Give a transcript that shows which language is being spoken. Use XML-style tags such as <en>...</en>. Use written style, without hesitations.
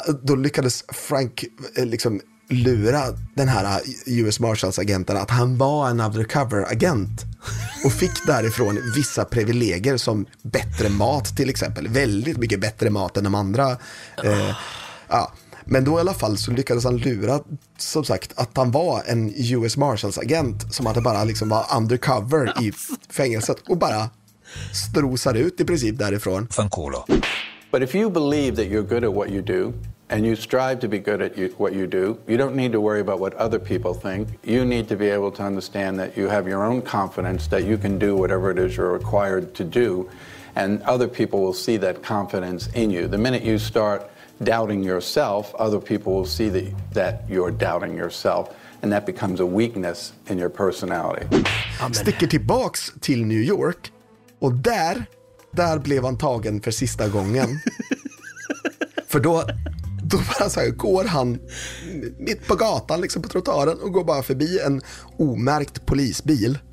<sv>Då lyckades Frank liksom lura den här US Marshals agenten att han var en undercover agent och fick därifrån vissa privilegier som bättre mat till exempel, väldigt mycket bättre mat än de andra. Ja. Men då i alla fall så lyckades han lura, som sagt, att han var en US Marshals agent som att det bara liksom var undercover i fängelset och bara strosade ut i princip därifrån.</sv> <en>But if you believe that you're good at what you do and you strive to be good at what you do, you don't need to worry about what other people think. You need to be able to understand that you have your own confidence that you can do whatever it is you're required to do, and other people will see that confidence in you. The minute you start doubting yourself, other people will see that you're doubting yourself, and that becomes a weakness in your personality.</en> <sv>Sticker tillbaks till New York, och där blev han tagen för sista gången. För då bara så här, går han mitt på gatan liksom på trottoaren och går bara förbi en omärkt polisbil.</sv>